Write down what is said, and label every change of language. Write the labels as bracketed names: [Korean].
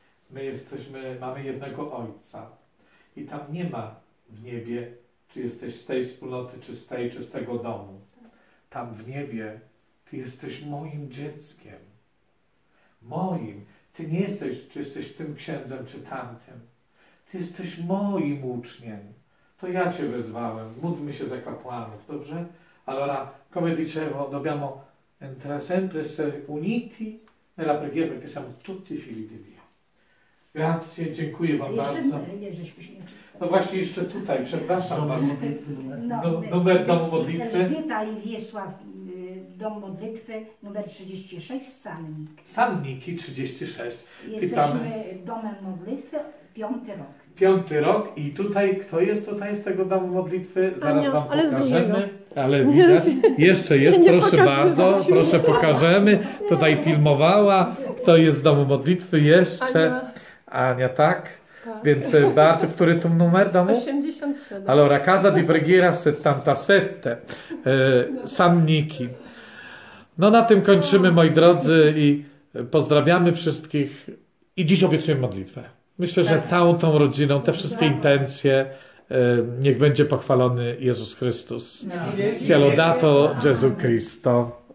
[Polish] My jesteśmy, mamy jednego Ojca. I tam nie ma w niebie, czy jesteś z tej wspólnoty, czy z tego domu. Tam w niebie Ty jesteś moim dzieckiem. Moim. Ty nie jesteś, czy jesteś tym księdzem, czy tamtym. Ty jesteś moim uczniem. To ja Cię wezwałem. Módlmy się za kapłanów, dobrze? [Italian] Allora, come dicevo, dobbiamo entra sempre essere uniti nella preghiera, perché siamo tutti figli di Dio. Grazie, [Polish] dziękuję Wam jeszcze bardzo. No właśnie, jeszcze tutaj, przepraszam dom Was. Numer domu modlitwy. Elżbieta i Wiesław, dom modlitwy, numer 36, Sannik. Sanniki 36. Jesteśmy domem modlitwy, piąty rok. Piąty rok i tutaj, kto jest tutaj z tego domu modlitwy? Zaraz Wam pokażemy. Ale widać. Jeszcze jest, proszę bardzo. Proszę, pokażemy. Tutaj filmowała, kto jest z domu modlitwy. Jeszcze. Ania, tak? Więc bardzo, który tu numer domu? 87. [Italian] Allora, casa di preghiera 77, San Niki. [Polish] No na tym kończymy, moi drodzy, i pozdrawiamy wszystkich. I dziś obiecuję modlitwę. Myślę, że całą tą rodziną, te wszystkie intencje, niech będzie pochwalony Jezus Chrystus. [Italian] Sielodato Gesù Cristo.